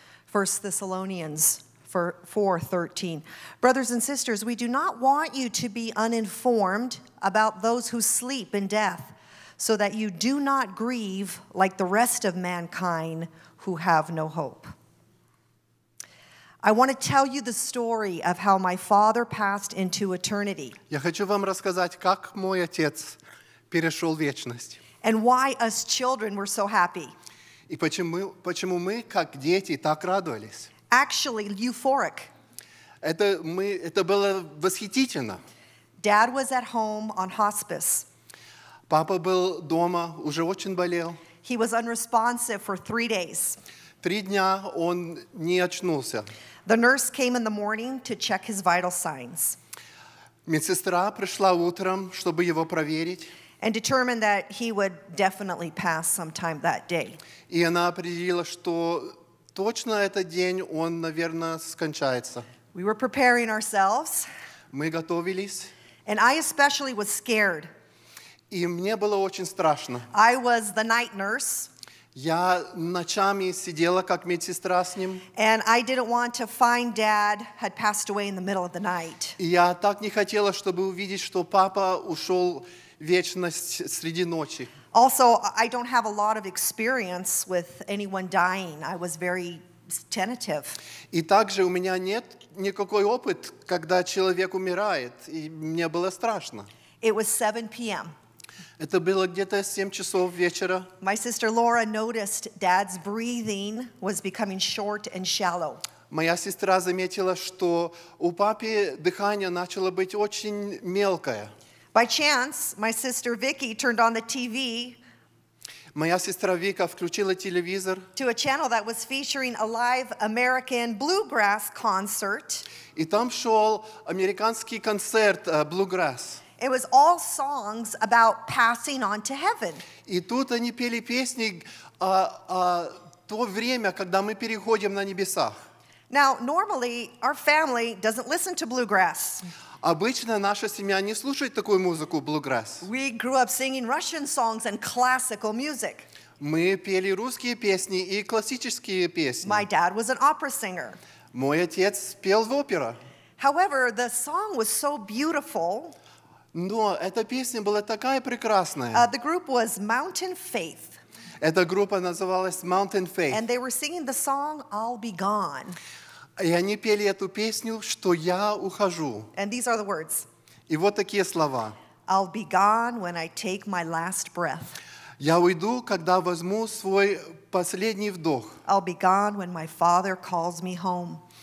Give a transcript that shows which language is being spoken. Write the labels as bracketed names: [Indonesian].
[English] 1 Thessalonians 4:13. Brothers and sisters, we do not want you to be uninformed about those who sleep in death, so that you do not grieve like the rest of mankind who have no hope. I want to tell you the story of how my father passed into eternity. [Russian] Я хочу вам рассказать, как мой отец перешел в вечность. [English] And why us children were so happy. [Russian] И почему мы как дети так радовались? [English] Actually, euphoric. [Russian] Это было восхитительно. [English] Dad was at home on hospice. [Russian] Папа был дома, уже очень болел. [English] He was unresponsive for 3 days. [Russian] 3 дня он не очнулся. [English] The nurse came in the morning to check his vital signs. [Russian] Медсестра пришла утром, чтобы его проверить. [English] And determined that he would definitely pass sometime that day. [Russian] И она определила, что точно этот день он, наверное, скончается. [English] We were preparing ourselves. [Russian] Мы готовились. [English] And I especially was scared. [Russian] И мне было очень страшно. [English] I was the night nurse. [Russian] Я ночами сидела как медсестра с ним. [English] And I didn't want to find Dad had passed away in the middle of the night. [Russian] И я так не хотела, чтобы увидеть, что папа ушел вечность среди ночи. [English] Also, I don't have a lot of experience with anyone dying. I was very tentative. [Russian] И также у меня нет никакой опыт, когда человек умирает, и мне было страшно. [English] It was 7 p.m. [Russian] Это было где-то 7 часов вечера. [English] My sister Laura noticed Dad's breathing was becoming short and shallow. [Russian] Моя сестра заметила, что у папы дыхание начало быть очень мелкое. [English] By chance, my sister Vicky turned on the TV. [Russian] Моя сестра Вика включила телевизор. [English] To a channel that was featuring a live American bluegrass concert. [Russian] И там шел американский концерт bluegrass. [English] It was all songs about passing on to heaven. [Russian] И тут они пели песни то время, когда мы переходим на небеса. [English] Now, normally, our family doesn't listen to bluegrass. [Russian] Обычно наша семья не слушает такую музыку, bluegrass. [English] We grew up singing Russian songs and classical music. [Russian] Мы пели русские песни и классические песни. [English] My dad was an opera singer. [Russian] Мой отец пел в опере. [English] However, the song was so beautiful. [Russian] Но эта песня была такая прекрасная. [English] The group was Mountain Faith. [Russian] Эта группа называлась Mountain Faith. [English] And they were singing the song I'll Be Gone. [Russian] И они пели эту песню, что я ухожу. [English] And these are the words. [Russian] И вот такие слова. [English] I'll be gone when I take my last breath. [Russian] Я уйду, когда возьму свой последний вдох. [English] I'll be gone when my father calls me home.